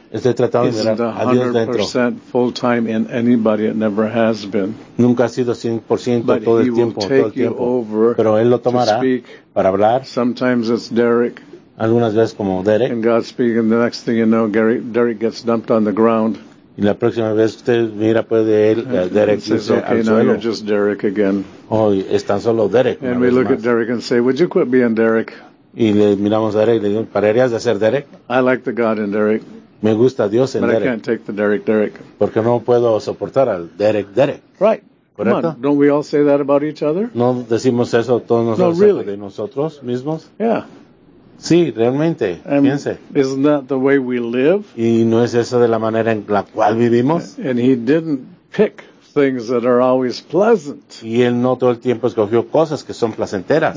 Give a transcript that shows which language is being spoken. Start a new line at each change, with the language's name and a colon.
Spanish: Estoy tratando de mirar a Dios dentro.
English: 100% full time in anybody. It never has been.
Spanish: Nunca ha sido 100% todo el tiempo.
English: But He will take you over.
Spanish: Pero él lo tomará para hablar.
English: Sometimes it's Derek.
Spanish: Algunas veces como Derek.
English: And God speaking. The next thing you know, Derek gets dumped on the ground.
Spanish: Y la próxima vez usted mira pues de él, Derek
English: says,
Spanish: dice
English: okay,
Spanish: al suelo.
English: You're just Derek again.
Spanish: Oh, es tan solo Derek.
English: And we look
Spanish: más.
English: At Derek and say, would you quit being Derek?
Spanish: Y le miramos a Derek y le digo, ¿pararías de ser Derek?
English: I like the God in Derek.
Spanish: Me gusta Dios en
English: but
Spanish: Derek.
English: But I can't take the Derek.
Spanish: Porque no puedo soportar al Derek.
English: Right.
Spanish: ¿Correcto?
English: Come on, don't we all say that about each other?
Spanish: ¿No decimos eso todos nosotros
English: no, really.
Spanish: De nosotros mismos?
English: Yeah.
Spanish: Sí, realmente, piense.
English: Isn't that the way we live?
Spanish: ¿Y no es eso de la manera en la cual vivimos?
English: And he didn't pick things that are always pleasant.
Spanish: Y él no todo el tiempo escogió cosas que son placenteras.